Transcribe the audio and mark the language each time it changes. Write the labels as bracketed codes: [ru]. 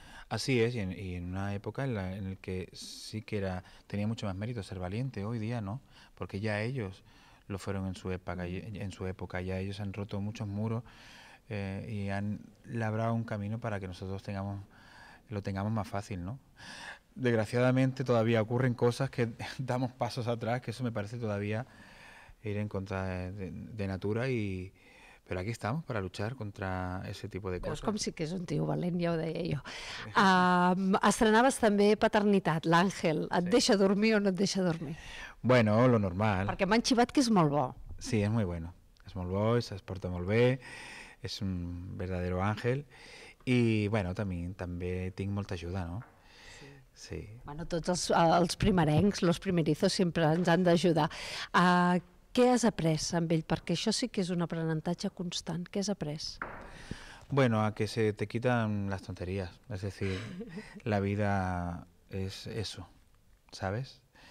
[es] Así es, y en una época en la que sí que tenía mucho más mérito ser valiente, hoy día no, porque ya ellos lo fueron en su época, ya ellos han roto muchos muros y han labrado un camino para que nosotros lo tengamos más fácil, ¿no? Desgraciadamente todavía ocurren cosas que damos pasos atrás, que eso me parece todavía ir en contra de natura, pero aquí estamos para luchar contra ese tipo de [ca] Veus com [es] cosas. [ca] sí que és un tio valent, ja ho deia jo. Estrenaves també Paternitat, l'Àngel. Et Sí. deixa dormir o no et deixa dormir? [es] Bueno, lo normal. [ca] Perquè m'han xivat que és molt bo. Sí, és molt [es] bueno. [ca] És molt bo, es porta molt bé, és un [es] verdadero ángel. [ca] I bueno, també tinc molta ajuda, no? Sí. Sí. Bueno, tots els primerencs, [es] los primerizos, [ca] sempre ens han d'ajudar. Què has après amb ell? Perquè això sí que és un aprenentatge constant. Què has après? [es] Bueno, a que se te quitan las tonterías. Es decir, la vida es eso, ¿sabes?